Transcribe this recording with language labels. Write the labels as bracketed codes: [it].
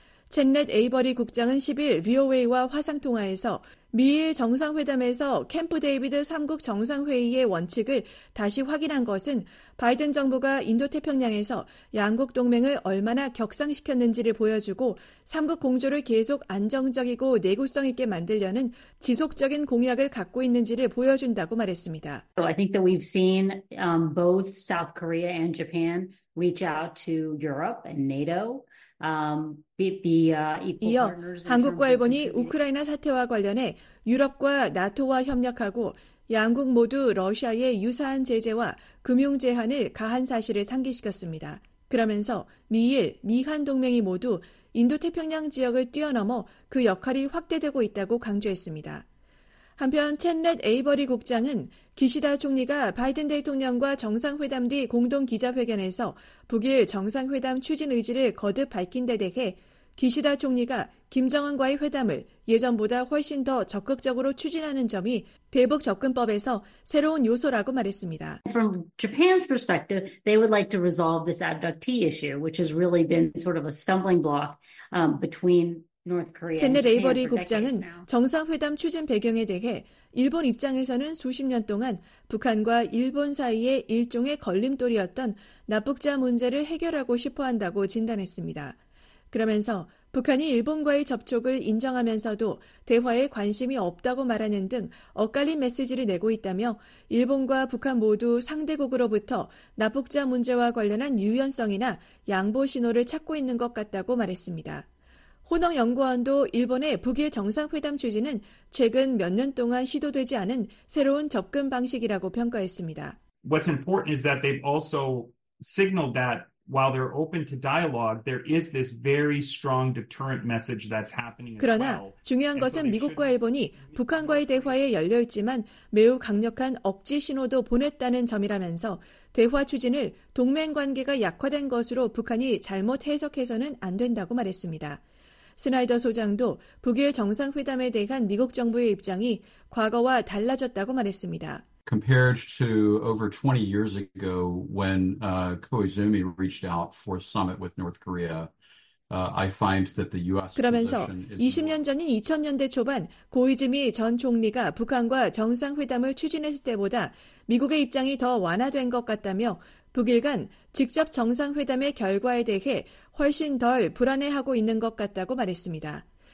[ko] 챈넷 에이버리 국장은 10일 VOA와 화상통화에서 미일 정상회담에서 캠프 데이비드 3국 정상회의의 원칙을 다시 확인한 것은 바이든 정부가 인도태평양에서 양국 동맹을 얼마나 격상시켰는지를 보여주고 3국 공조를 계속 안정적이고 내구성 있게 만들려는 지속적인 공약을 갖고 있는지를 보여준다고 말했습니다. [en] So I think that we've seen both South Korea and Japan reach out to Europe and NATO. [ko] 이어 한국과 일본이 우크라이나 사태와 관련해 유럽과 나토와 협력하고 양국 모두 러시아의 유사한 제재와 금융 제한을 가한 사실을 상기시켰습니다. 그러면서 미일, 미한 동맹이 모두 인도태평양 지역을 뛰어넘어 그 역할이 확대되고 있다고 강조했습니다. 한편 챈넷 에이버리 국장은 기시다 총리가 바이든 대통령과 정상회담 뒤 공동 기자회견에서 북일 정상회담 추진 의지를 거듭 밝힌 데 대해 기시다 총리가 김정은과의 회담을 예전보다 훨씬 더 적극적으로 추진하는 점이 대북 접근법에서 새로운 요소라고 말했습니다. [en] From Japan's perspective, they would like to resolve this abductee issue, which has really been sort of a stumbling block between [ko] 챈넷 에이버리 국장은 정상회담 추진 배경에 대해 일본 입장에서는 수십 년 동안 북한과 일본 사이의 일종의 걸림돌이었던 납북자 문제를 해결하고 싶어한다고 진단했습니다. 그러면서 북한이 일본과의 접촉을 인정하면서도 대화에 관심이 없다고 말하는 등 엇갈린 메시지를 내고 있다며 일본과 북한 모두 상대국으로부터 납북자 문제와 관련한 유연성이나 양보 신호를 찾고 있는 것 같다고 말했습니다. 호넝 연구원도 일본의 북일 정상회담 추진은 최근 몇 년 동안 시도되지 않은 새로운 접근 방식이라고 평가했습니다. [en] What's important is that they've also signaled that while they're open to dialogue, there is this very strong deterrent message that's happening. [ko] 그러나 중요한 것은 미국과 일본이 북한과의 대화에 열려 있지만 매우 강력한 억지 신호도 보냈다는 점이라면서 대화 추진을 동맹 관계가 약화된 것으로 북한이 잘못 해석해서는 안 된다고 말했습니다. 스나이더 소장도 북일 정상회담에 대한 미국 정부의 입장이 과거와 달라졌다고 말했습니다. [en] Compared to over 20 years ago when Koizumi reached out for a summit with North Korea, I find that the U.S. [ko] 그러면서 20년 전인 2000년대 초반 고이즈미 전 총리가 북한과 정상회담을 추진했을 때보다 미국의 입장이 더 완화된 것 같다며 북일 간 직접 정상회담의 결과에 대해 훨씬 덜 불안해하고 있는 것 같다고 말했습니다.